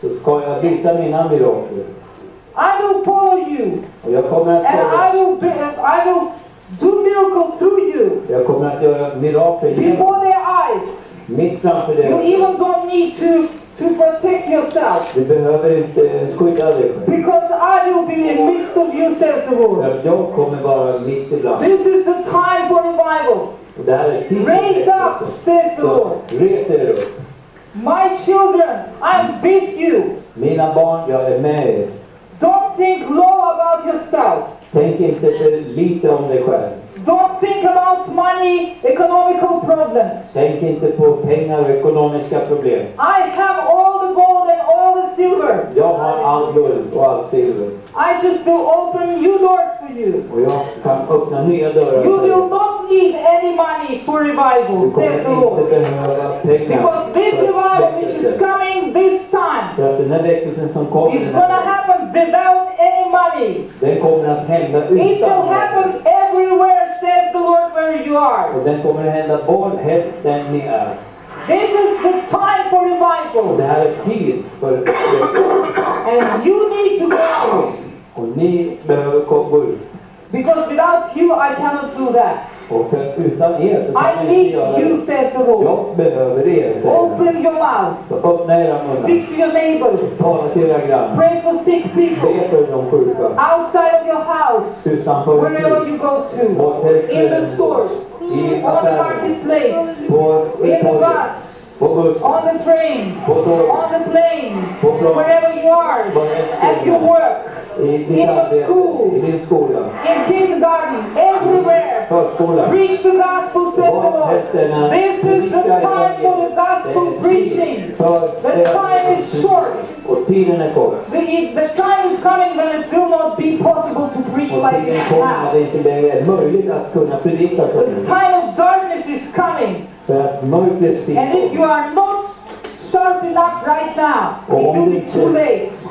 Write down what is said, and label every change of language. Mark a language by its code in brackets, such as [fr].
[sv] Så ska jag visa mina mirakel. [en] I will follow you. [sv] Och jag kommer att följa. [en] And I will do miracles through you. [sv] Jag kommer att göra mirakel. [en] Before their eyes. [sv] Mitt framför dem. [en] You even don't need to protect yourself. [sv] Du behöver inte skydda dig. [en] Because I will be in the midst of you, says the Lord. [sv] Jag kommer vara mitt ibland. [en] This is the time for revival. Raise up, says the Lord. Raise it up. My children, I'm with you. [sv] Mina barn, jag är med er. [en] Don't think low about yourself. [sv] Tänk inte för lite om dig själv. [en] Don't think about money, economical problems. [sv] Tänk inte på pengar och ekonomiska problem. [en] I have all the gold and all the silver. [sv] Jag har all guld och all silver. [en] I just will open new doors for you. [sv] Och jag kan öppna nya dörrar. [en] You will not need any money for revival, says the Lord. Because this revival which is coming this time is going to happen without any money. [sv] Den kommer att hända utan. [en] It will happen everywhere, says the Lord, where you are. [sv] Och den kommer att hända var helst där ni är. [en] This is the time for revival. [sv] Det här är tid för [en] and you need to go out. [sv] Och ni behöver gå ut. [en] Because without you I cannot do that. [sv] Och utan er så [en] I need you, says the Lord. [sv] Jag behöver er. [en] Open your mouth. [sv] Så öppna era munnar. [en] Speak to your neighbors. [sv] Tala till era grannar. [en] Pray for sick people. [sv] Be för de sjuka. [en] Outside of your house. [sv] Utanför ditt hus. [en] Wherever you go to. In the stores. [sv] I [en] on the marketplace. In the bus. On the train. On the plane. Wherever you are. At your work. In school. Ja. In kindergarten. Everywhere. [sv] Förskolan. [en] Preach the gospel, said the Lord. This is the time for the gospel preaching. The time is short. [sv] Och tiden är kort. [en] The time is coming when it will not be possible to preach like this now. [sv] Och tiden kommer när det inte längre är möjligt att kunna predika så. [en] The time of darkness is coming. And if you are not sharp enough right now, it will be too late.